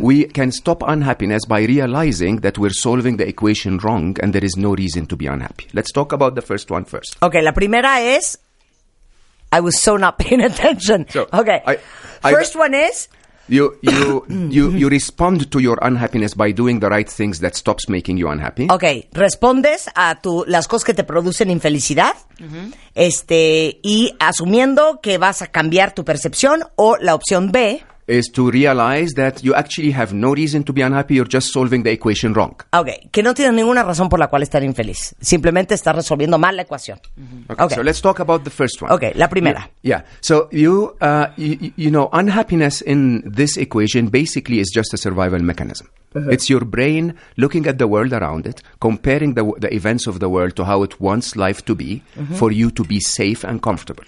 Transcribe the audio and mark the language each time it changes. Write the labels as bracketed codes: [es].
[en] we can stop unhappiness by realizing that we're solving the equation wrong and there is no reason to be unhappy. Let's talk about the first one first. Okay, [es] la primera es, [en] I was so not paying attention. First one is... You respond to your unhappiness by doing the right things that stops making you unhappy. [es] Okay, respondes a las cosas que te producen infelicidad, uh-huh. Y asumiendo que vas a cambiar tu percepción, o la opción B [en] is to realize that you actually have no reason to be unhappy, you're just solving the equation wrong. [es] Okay, que no tienes ninguna razón por la cual estar infeliz, simplemente estás resolviendo mal la ecuación. Mm-hmm. [en] Okay, so let's talk about the first one. [es] Okay, la primera. [en] Yeah, so you know, unhappiness in this equation basically is just a survival mechanism. Uh-huh. It's your brain looking at the world around it, comparing the events of the world to how it wants life to be, mm-hmm. for you to be safe and comfortable.